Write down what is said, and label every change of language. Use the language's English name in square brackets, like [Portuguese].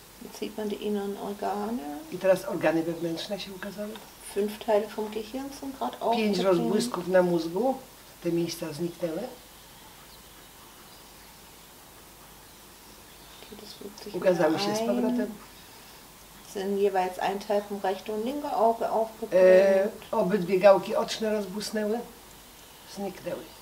[German] Jetzt sieht man die inneren Organe. [Polish] I teraz organy wewnętrzne się ukazały. [German] Fünf Teile vom Gehirn sind gerade aufgeblähnt. [Polish] Pięć rozbłysków na mózgu, te miejsca zniknęły. Ukazały się z powrotem. [German] Sind jeweils ein Teil vom rechten und linken Auge aufgeblendet. [Polish] Obydwie gałki oczne rozbłysnęły, zniknęły.